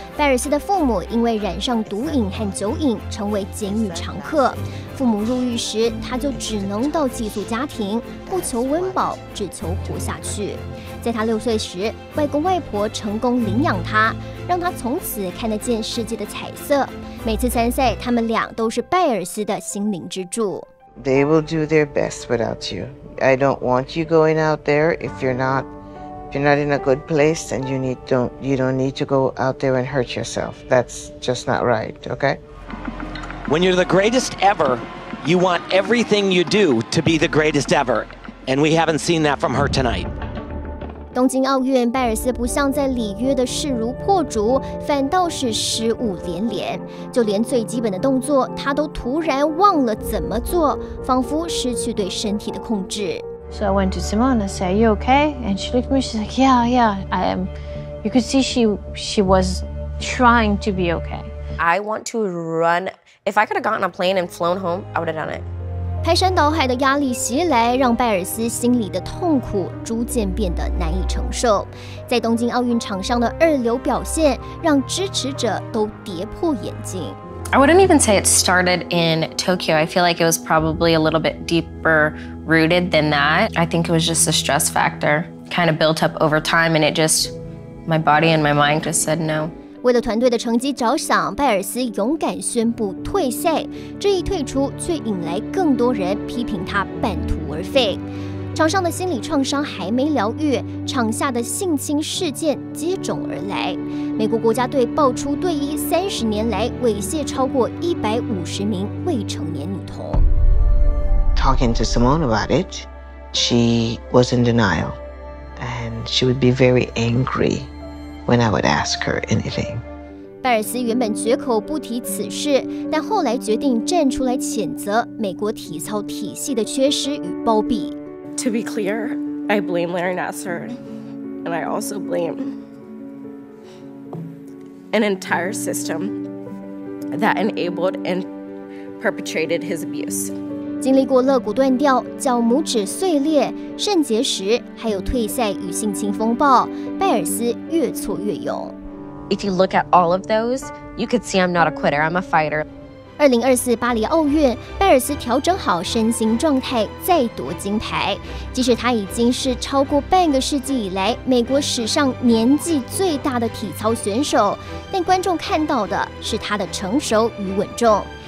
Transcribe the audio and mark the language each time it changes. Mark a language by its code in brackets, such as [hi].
[zh] 拜尔斯的父母因为染上毒瘾和酒瘾成为监狱常客，父母入狱时她就只能到寄宿家庭，不求温饱，只求活下去。在她6岁时，外公外婆成功领养她，让她从此看得见世界的彩色。每次参赛，他们俩都是拜尔斯的心灵支柱。 [en] They will do their best without you. I don't want you going out there if you're notIf you're not in a good place, then you don't need to go out there and hurt yourself. That's just not right, okay? When you're the greatest ever, you want everything you do to be the greatest ever. And we haven't seen that from her tonight. [zh] 东京奥运，拜尔斯不像在里约的势如破竹，反倒是失误连连，就连最基本的动作他都突然忘了怎么做，仿佛失去对身体的控制。 [en] So I went to Simone and said, you okay? And she looked at me, she's like, yeah, yeah, I am. You could see she was trying to be okay. I want to run. If I could have gotten a plane and flown home, I would have done it. [zh] 排山倒海的压力袭来，让拜尔斯心里的痛苦逐渐变得难以承受。在东京奥运场上的二流表现让支持者都跌破眼镜。 [en] I wouldn't even say it started in Tokyo. I feel like it was probably a little bit deeper rooted than that. I think it was just a stress factor kind of built up over time, and it just, my body and my mind just said no. [zh] 为了团队的成绩着想，拜尔斯勇敢宣布退赛，这一退出却引来更多人批评他半途而废。场上的心理创伤还没疗愈，场下的性侵事件接踵而来。美国国家队爆出队医30年来猥亵超过150名未成年女童。 [en] Talking to Simone about it, she was in denial, and she would be very angry. When I would ask her anything. [zh] 拜尔斯原本绝口不提此事，但后来决定站出来谴责美国体操体系的缺失与包庇。 [en] To be clear, I blame Larry Nassar, and I also blame an entire system that enabled and perpetrated his abuse. [zh] 经历过肋骨断掉、脚拇指碎裂、肾结石，还有退赛与性侵风暴，拜尔斯越挫越勇。 [en] If you look at all of those, you could see I'm not a quitter. I'm a fighter. [zh] 2024巴黎奥运，拜尔斯调整好身心状态再夺金牌，即使他已经是超过半个世纪以来美国史上年纪最大的体操选手，但观众看到的是他的成熟与稳重。